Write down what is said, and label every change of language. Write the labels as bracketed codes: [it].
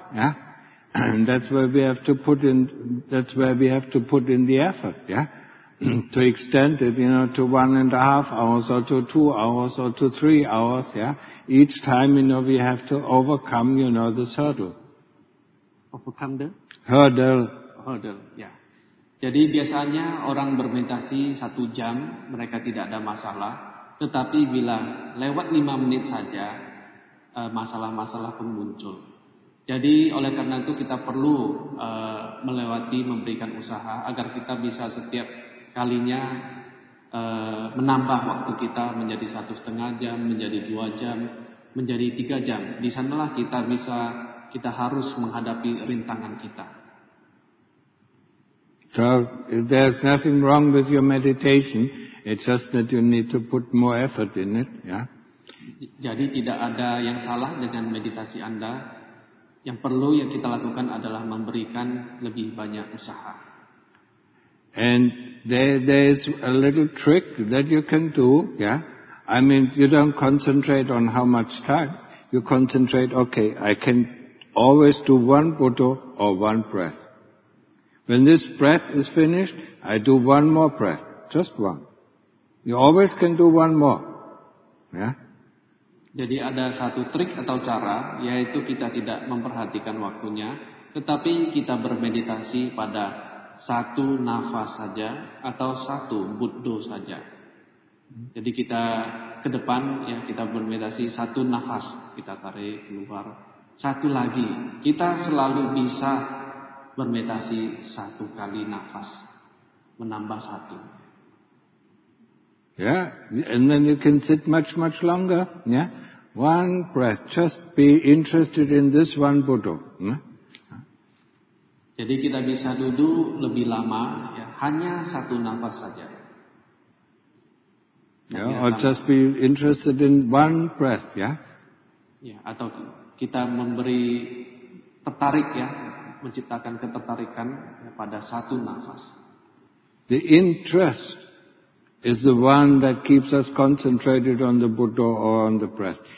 [en] Yeah, and that's where we have to put in the effort. Yeah, to extend it, you know, to 1.5 hours or to 2 hours or to 3 hours. Yeah, each time, you know, we have to overcome, you know, this hurdle. Overcome the hurdle. Hurdle, ya. [id] Jadi biasanya orang bermeditasi 1 jam, mereka tidak ada masalah. Tetapi bila lewat 5 menit saja, masalah-masalah pun muncul. Jadi oleh karena itu kita perlu melewati, memberikan usaha agar kita bisa setiap kalinya menambah waktu kita menjadi 1.5 jam, menjadi 2 jam, menjadi 3 jam. Di sanalah kita harus menghadapi rintangan kita. [en] So there's nothing wrong with your meditation. It's just that you need to put more effort in it. Yeah. [id] Jadi tidak ada yang salah dengan meditasi Anda. Yang perlu yang kita lakukan adalah memberikan lebih banyak usaha. [en] And there is a little trick that you can do. Yeah. I mean, you don't concentrate on how much time. You concentrate. Okay, I can always do 1 Buddha or 1 breath. When this breath is finished, I do 1 more breath. Just 1. You always can do 1 more. Yeah? [id] Jadi ada satu trik atau cara, yaitu kita tidak memperhatikan waktunya, tetapi kita bermeditasi pada 1 nafas saja, atau 1 Buddha saja. Jadi kita ke depan, ya, kita bermeditasi 1 nafas, kita tarik keluar. 1 lagi. Kita selalu bisa bermeditasi satu kali nafas, menambah satu. [en] Yeah, and then you can sit much, much longer. Yeah, one breath. Just be interested in this one Buddha. [id] Jadi kita bisa duduk lebih lama, ya, hanya satu nafas saja. [en] Yeah, or just be interested in one breath. Yeah. [id] Yeah, atau kita memberi tertarik, ya, menciptakan ketertarikan, ya, pada satu nafas. [en] The interest is the one that keeps us concentrated on the Buddha or on the breath.